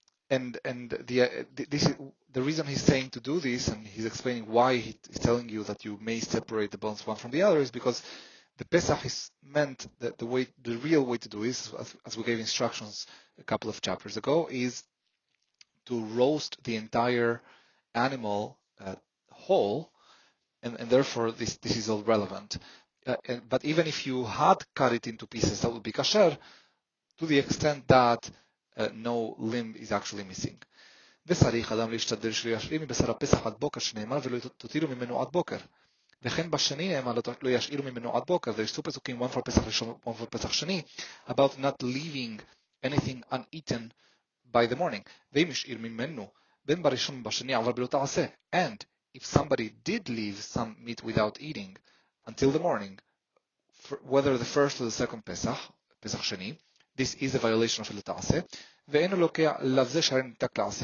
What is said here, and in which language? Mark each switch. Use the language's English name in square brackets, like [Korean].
[English] The reason he's saying to do this, and he's explaining why he's telling you that you may separate the bones one from the other, is because the Pesach is meant that the real way to do this, as we gave instructions a couple of chapters ago, is to roast the entire animal whole, and therefore this is all relevant. But even if you had cut it into pieces, that would be kasher, to the extent that no limb is actually missing. [Hebrew] וצריך אדם להשתדל שלא ישאיר מבשר הפסח עד בוקר שנאמר ולא תותירו ממנו עד בוקר. וכן בשני נאמר לא ישאירו ממנו עד בוקר. [English] There is two פסוקים, one for פסח ראשון, one for פסח שני, about not leaving anything uneaten by the morning. [Hebrew] ואם ישאיר ממנו, בין בראשון ובשני, אבל בלא תעשה. [English] And if somebody did leave some meat without eating until the morning, whether the first or the second פסח, פסח שני, this is a violation of l'ta'aseh.